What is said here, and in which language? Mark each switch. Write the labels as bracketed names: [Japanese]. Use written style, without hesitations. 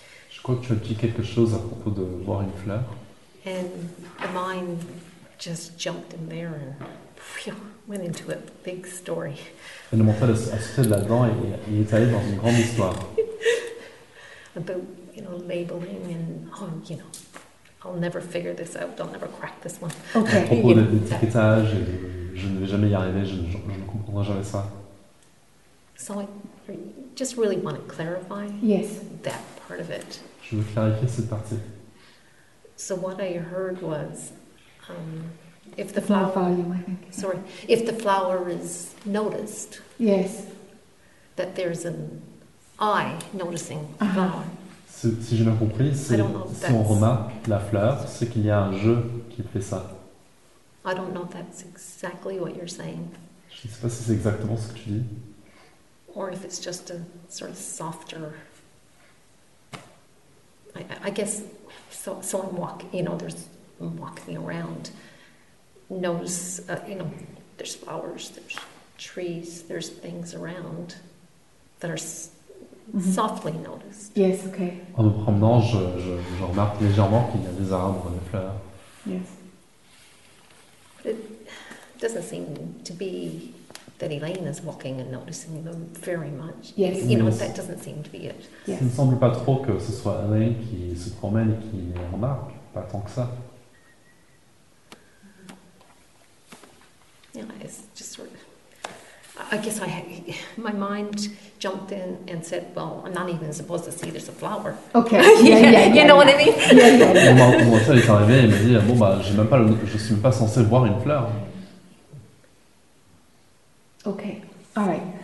[French] Je crois que tu as dit quelque chose à propos de voir une fleur. [English] And the mind just jumped in there and went into a big story. [French] Et le mental a sauté là-dedans et il est allé dans une grande histoire. [English] About, you know, labeling and, oh, you know, I'll never figure this out, I'll never crack this one. Okay. [French] À propos de l'étiquetage et de, je ne vais jamais y arriver, je ne comprendrai jamais ça. [English] So just really want to clarify that part of it. [French] Je veux clarifier cette partie. [English] So what I heard was, if the volume, I think. Sorry, if the flower is noticed. Yes. That there's an eye noticing the flower. [French] Si j'ai bien compris, si on remarque la fleur, c'est qu'il y a un jeu qui fait ça. [English] I don't know if that's exactly what you're saying. [French] Je ne sais pas si c'est exactement ce que tu dis. [English] Or if it's just a sort of softer, I guess, so I'm walking, you know, I'm walking around, you know, there's flowers, there's trees, there's things around that are softly noticed. Yes, okay. [French] En me promenant, je remarque légèrement qu'il y a des arbres, des fleurs. [English] Yes. But it doesn't seem to be that Elaine is walking and noticing them very much. Yes. You know, that doesn't seem to be it. Yes. [French] Ça ne semble pas trop que ce soit Elaine qui se promène et qui remarque, pas tant que ça. [English] Yeah, it's just sort of... I guess my mind jumped in and said, well, I'm not even supposed to see there's a flower. Okay, yeah. You know what I mean? Yeah. [French] Mon mental est arrivé et me dit, bon, bah, je ne suis même pas censé voir une fleur. [English] Okay, all right.